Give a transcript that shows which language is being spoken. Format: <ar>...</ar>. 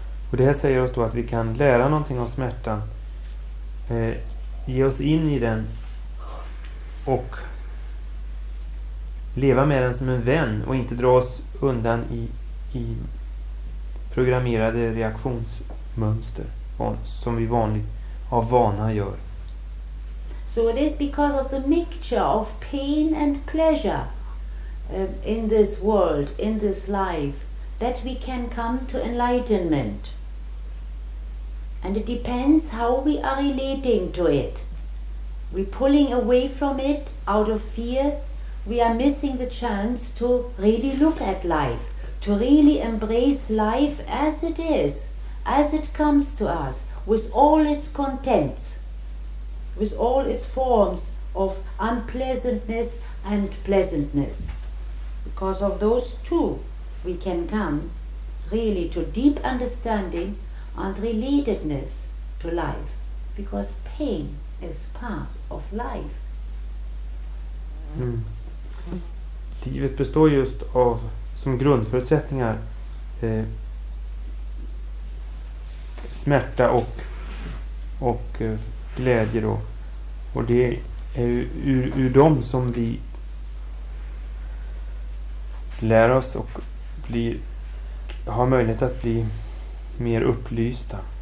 <sv>Och det här säger oss då att vi kan lära någonting av smärtan. Ge oss in i den. Och leva med den som en vän. Och inte dra oss undan i programmerade reaktionsmönster. Som vi vanligt av vana gör.</sv> <en>So it is because of the mixture of pain and pleasure in this world, in this life, that we can come to enlightenment. And it depends how we are relating to it. We pulling away from it out of fear, we are missing the chance to really look at life, to really embrace life as it is, as it comes to us, with all its contents, with all its forms of unpleasantness and pleasantness. Because of those two, we can come really to deep understanding and relatedness to life, because pain is part of life. Mm.</en> <sv>Livet består just av som grundförutsättningar smärta och glädje då. Och det är ur dem som vi lär oss och har möjlighet att bli mer upplysta.</sv>